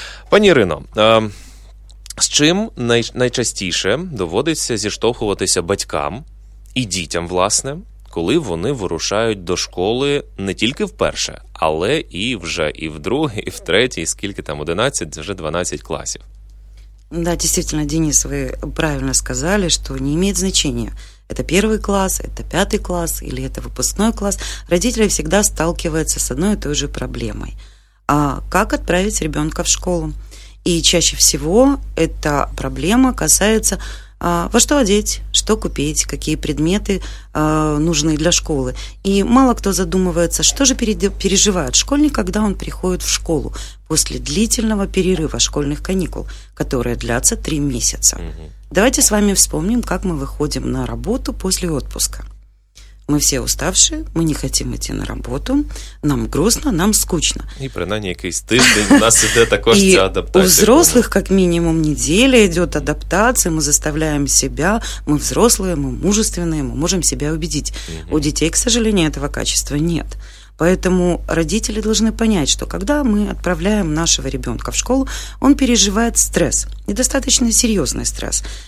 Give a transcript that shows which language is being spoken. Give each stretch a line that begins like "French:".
Ukrainian: Пані Ірино, з чим найчастіше доводиться зіштовхуватися батькам і дітям, власне, коли вони вирушають до школи не тільки вперше, але і вже і в другий, і в третій, скільки там, 11, вже 12 класів?
Russian: Да, действительно, Денис, вы правильно сказали, что не имеет значения, это первый класс, это пятый класс или это выпускной класс. Родители всегда сталкиваются с одной и той же проблемой. А как отправить ребенка в школу? И чаще всего эта проблема касается, во что одеть, что купить, какие предметы нужны для школы. И мало кто задумывается, что же переживает школьник, когда он приходит в школу после длительного перерыва школьных каникул, которые длятся 3 месяца. Угу. Давайте с вами вспомним, как мы выходим на работу после отпуска. Мы все уставшие, мы не хотим идти на работу, нам грустно, нам скучно.
Ukrainian: И принаймні якийсь тиждень у нас йде також ця адаптація.
Russian: У взрослых как минимум неделя идет адаптация, мы заставляем себя, мы взрослые, мы мужественные, мы можем себя убедить. У детей, к сожалению, этого качества нет. Поэтому родители должны понять, что когда мы отправляем нашего ребенка в школу, он переживает стресс, и достаточно серьезный стресс.